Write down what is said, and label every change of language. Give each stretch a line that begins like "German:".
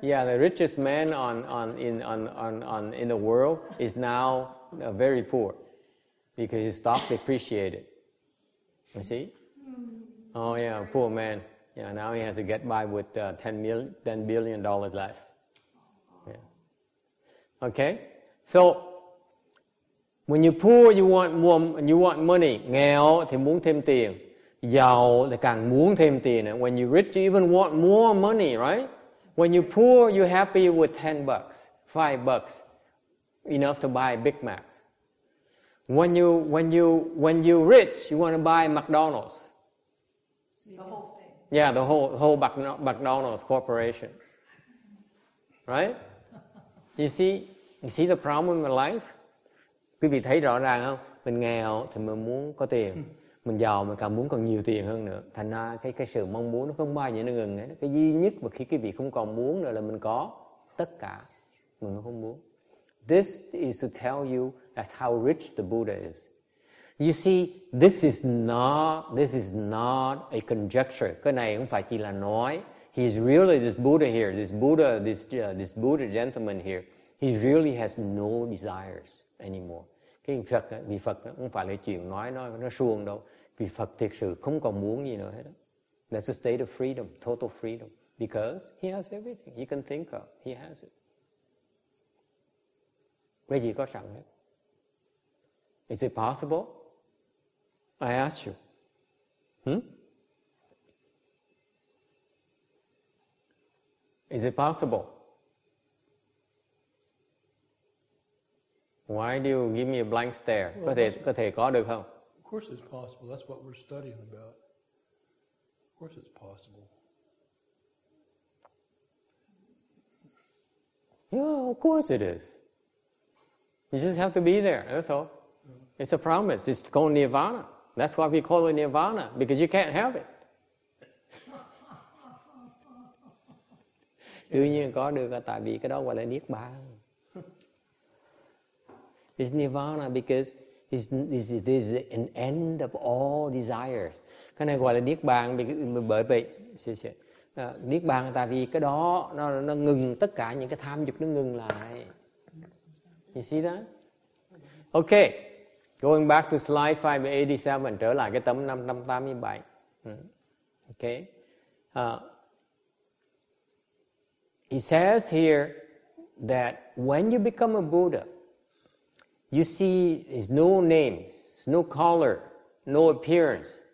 English: Yeah, the richest man on in the world is now very poor because his stock depreciated. You see? Oh yeah, poor man. Yeah, now he has to get by with $10 billion less. Okay, so when you're poor, you want more, you want money.
Vietnamese: Nghèo thì muốn thêm tiền. Giàu thì càng muốn thêm tiền.
English: When you're rich, you even want more money, right? When you're poor, you're happy with 10 bucks, 5 bucks, enough to buy a Big Mac. When you're rich, you want to buy McDonald's. The whole thing. Yeah, the whole McDonald's corporation. Right? You see the problem in life?
Vietnamese: Quý vị thấy rõ ràng không? Mình nghèo thì mình muốn có tiền. Mình giàu mình càng muốn còn nhiều tiền hơn nữa. Thành ra cái sự mong muốn nó không bao giờ nó ngừng ấy. Cái duy nhất mà khi quý vị không còn muốn nữa là mình có tất cả. Mình không muốn.
English: This is to tell you that's how rich the Buddha is. You see, this is not a conjecture.
Vietnamese: Cái này không phải chỉ là nói.
English: He's really this Buddha here. This Buddha gentleman here. He really has no desires anymore.
Vietnamese: Cái Phật, vì Phật không phải là chuyện nói nó suông đâu. Vì Phật thực sự không còn muốn gì nữa hết.
English: That's a state of freedom, total freedom. Because he has everything he can think of. He has it.
Vietnamese: Cái gì có sẵn hết.
English: Is it possible? I ask you. Is it possible? Why do you give me a blank stare?
Vietnamese: Well, có thể có được không?
English: Of course it's possible. That's what we're studying about. Of course it's possible. Yeah, of course it is. You just have to be there, that's all. It's a promise, it's called nirvana. That's why we call it nirvana, because you can't have it.
Vietnamese: Đương nhiên có được, tại vì cái đó gọi là niết bàn.
English: It's nirvana because it is an end of all desires.
Vietnamese: Cái này gọi là niết bàn bởi vậy. Niết bàn tại vì cái đó nó ngừng tất cả những cái tham dục, nó ngừng lại.
English: You see that? Okay. Going back to slide 587,
Vietnamese: trở lại cái tấm 587.
English: Okay. He says here that when you become a Buddha, you see there's no name, there's no color, no appearance.